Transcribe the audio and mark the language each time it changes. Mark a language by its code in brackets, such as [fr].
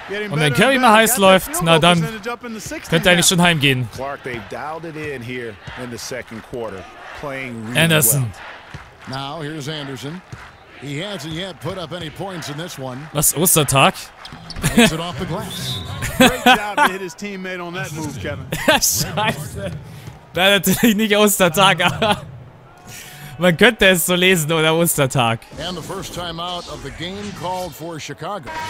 [de] Und wenn Curry mal heiß läuft, na dann könnte er eigentlich schon heimgehen. [en] Clark, they've dialed it in here in the second quarter, playing really Anderson. Well. Now here's Anderson. He hasn't yet put up any points in this one. [de] Was, Ostertag? [en] Takes it off the glass. Great job to hit his teammate on that move, Kevin. [de] Scheiße. Wäre natürlich nicht Ostertag, aber man könnte es so lesen, oder Ostertag. [en] And the first time out of the game called for Chicago.